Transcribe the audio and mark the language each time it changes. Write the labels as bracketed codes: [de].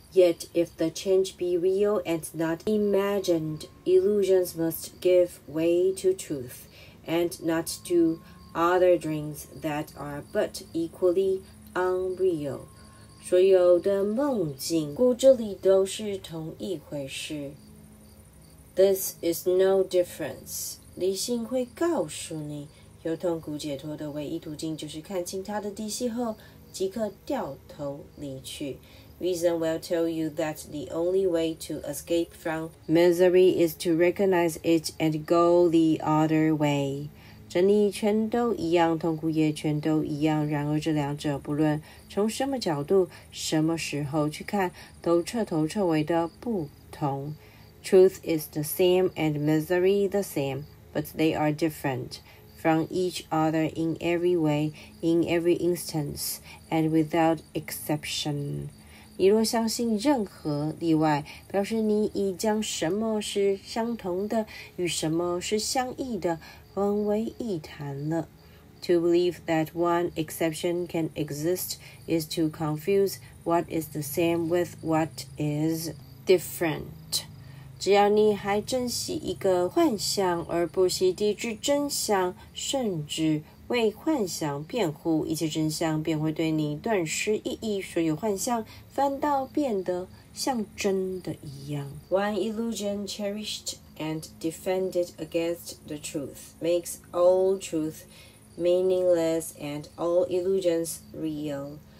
[en] Yet if the change be real and not imagined, illusions must give way to truth, and not to other dreams that are but equally unreal. [zh] 所有的梦境故这里都是同一回事。 [en] This is no difference. [zh] 理性会告诉你，由痛苦解脱的唯一途径就是看清它的底细后即刻掉头离去。 [en] Reason will tell you that the only way to escape from misery is to recognize it and go the other way. [zh] 真理全都一样，痛苦也全都一样，然而这两者不论从什么角度什么时候去看都彻头彻尾的不同。 [en] Truth is the same and misery the same, but they are different from each other in every way, in every instance, and without exception. [zh] 你若相信任何例外，表示你已将什么是相同的与什么是相异的混为一谈了。 [en] To believe that one exception can exist is to confuse what is the same with what is different. [zh] 只要你还珍惜一个幻象而不惜抵制真相，甚至为幻象辩护，一切真相便会对你顿失意义，所有幻象反倒变得像真的一样。 [en] One illusion cherished and defended against the truth makes all truth meaningless and all illusions real.